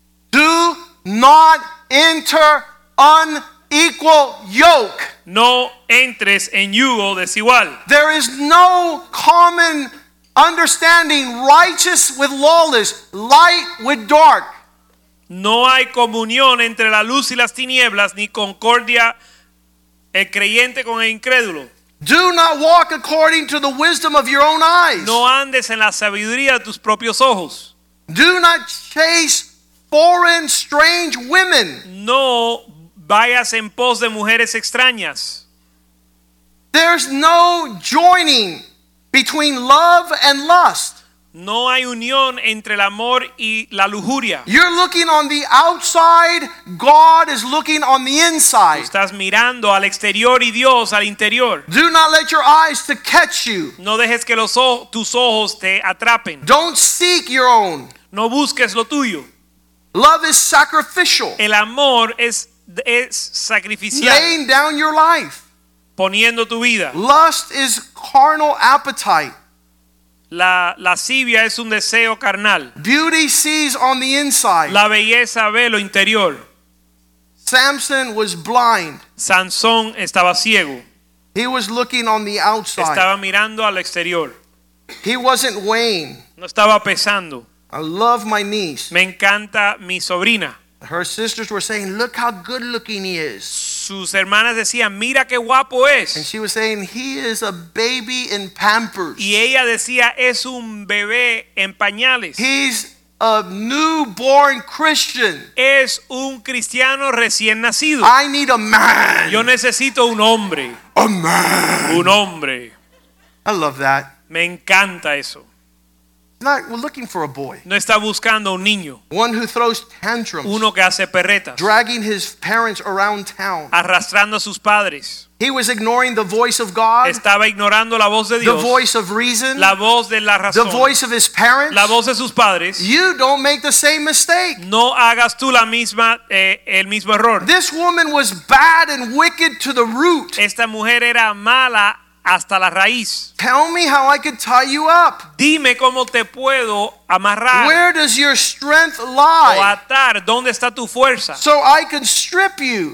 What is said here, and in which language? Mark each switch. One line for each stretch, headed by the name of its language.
English: Do not enter unequal yoke.
Spanish: No entres en yugo desigual.
English: There is no common understanding, righteous with lawless, light with dark.
Spanish: No hay comunión entre la luz y las tinieblas, ni concordia el creyente con el incrédulo.
English: Do not walk according to the wisdom of your own eyes.
Spanish: No andes en la sabiduría de tus propios ojos.
English: Do not chase foreign, strange women.
Spanish: No vayas en pos de mujeres extrañas.
English: There's no joining between love and lust.
Spanish: No hay unión entre el amor y la lujuria.
English: You're looking on the outside, God is looking on the inside.
Spanish: Tú estás mirando al exterior y Dios al interior.
English: Do not let your eyes to catch you.
Spanish: No dejes que tus ojos te atrapen.
English: Don't seek your own.
Spanish: No busques lo tuyo.
English: Love is sacrificial.
Spanish: El amor es es sacrificial.
English: Laying down your life.
Spanish: Poniendo tu vida.
English: Lust is carnal appetite.
Spanish: La lascivia es un deseo carnal.
English: Beauty sees on the inside.
Spanish: La belleza ve lo interior.
English: Samson was blind.
Spanish: Sansón estaba ciego.
English: He was looking on the outside.
Spanish: Estaba mirando al exterior.
English: He wasn't weighing.
Spanish: No estaba pesando.
English: I love my niece.
Spanish: Me encanta mi sobrina.
English: Her sisters were saying, "Look how good-looking he is."
Spanish: Sus hermanas decían, "Mira qué guapo es."
English: And she was saying, "He is a baby in Pampers."
Spanish: Y ella decía, "Es un bebé en pañales."
English: He's a newborn Christian.
Spanish: Es un cristiano recién nacido.
English: I need a man.
Spanish: Yo necesito un hombre.
English: A man.
Spanish: Un hombre.
English: I love that.
Spanish: Me encanta eso.
English: Not looking for a boy.
Spanish: No está buscando un niño.
English: One who throws tantrums.
Spanish: Uno que hace perretas.
English: Dragging his parents around town.
Spanish: Arrastrando a sus padres.
English: He was ignoring the voice of God.
Spanish: Estaba ignorando la voz de Dios.
English: The voice of reason.
Spanish: La voz de la razón.
English: The voice of his parents.
Spanish: La voz de sus padres.
English: You don't make the same mistake.
Spanish: No hagas tú la misma el mismo error.
English: This woman was bad and wicked to the root.
Spanish: Esta mujer era mala hasta la raíz.
English: Tell me how I could tie you up.
Spanish: Dime cómo te puedo amarrar.
English: Where does your strength lie?
Spanish: O atar, ¿dónde está tu fuerza?
English: So I can strip you.